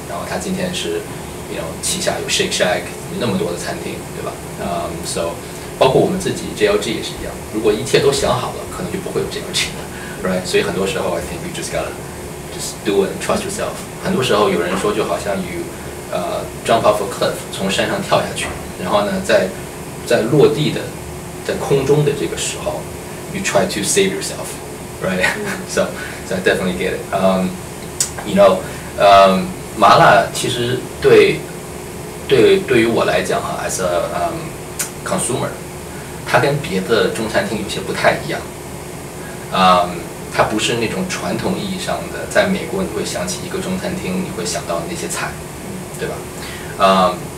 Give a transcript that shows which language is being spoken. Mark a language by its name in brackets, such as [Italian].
[Chinese] 然后他今天是 ， [English] you know， [Chinese] 旗下有 Shake Shack， 有那么多的餐厅，对吧？ [English] So。 [Chinese] 包括我们自己 JLG 也是一样，如果一切都想好了可能就不会有 JLG 了， right？所以很多时候 [English] I think you just gotta just do it and trust yourself。 [Chinese] 很多时候有人说就好像 [English] you jump off a cliff， [Chinese] 从山上跳下去，然后呢在落地的在空中的这个时候 [English] you try to save yourself， [Chinese] right？ [English] So I definitely get it。 You know， [Chinese] 麻辣其实对于我来讲， [English] as a consumer， [Chinese] 它跟别的中餐厅有些不太一样，它不是那种传统意义上的，在美国你会想起一个中餐厅，你会想到那些菜，对吧？